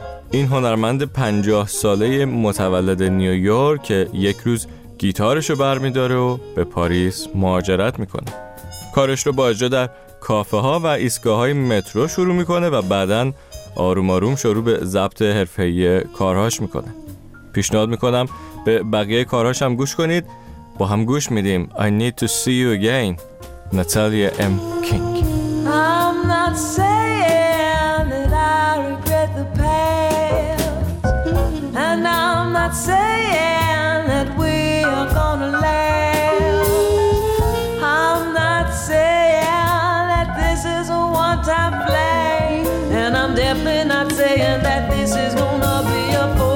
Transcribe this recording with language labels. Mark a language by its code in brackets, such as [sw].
[fa] این هنرمند 50 ساله متولد نیویورک که یک روز گیتارشو برمی‌داره و به پاریس مهاجرت میکنه. کارش رو با اجرا در کافه ها و ایستگاه های مترو شروع میکنه و بعدن آروم آروم شروع به ضبط حرفه‌ای کارهاش میکنه. پیشنهاد میکنم به بقیه کارهاش هم گوش کنید. با هم گوش میدیم [en] I need to see you again, Natalia M. King. I'm not saying that I regret the past, and I'm not saying that we are gonna laugh. I'm not saying that this is a one-time play, and I'm definitely not saying that this is gonna be a